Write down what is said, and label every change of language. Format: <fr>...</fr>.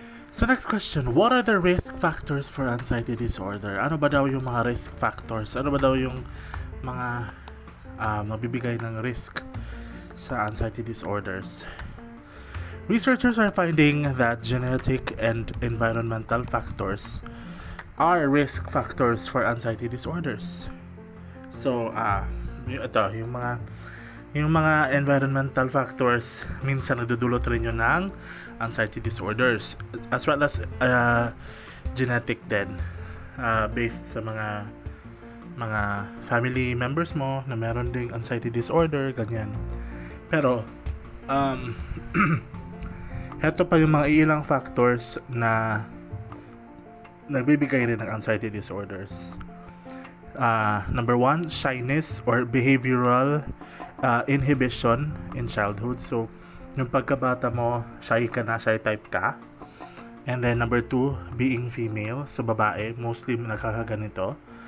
<en>So next question, what are the risk factors for anxiety disorder?</en> <tl>Ano ba daw yung mga risk factors? Ano ba daw yung mga mabibigay ng risk sa anxiety disorders?</tl> <en>Researchers are finding that genetic and environmental factors are risk factors for anxiety disorders.</en> <tl>So, ito, yung mga yung mga environmental factors minsan nagdudulot rin yun ng anxiety disorders</tl> <en>as well as genetic</en> <tl>din based sa mga family members mo na meron ding anxiety disorder ganyan. Pero heto pa yung mga ilang factors na nagbibigay rin ng anxiety disorders.</tl> <en>Number one, shyness or behavioral inhibition in childhood.</en> <tl>So, yung pagkabata mo, shy ka na, shy type ka.</tl> <en>And then number two, being female, so babae, mostly nakakaganito.</en>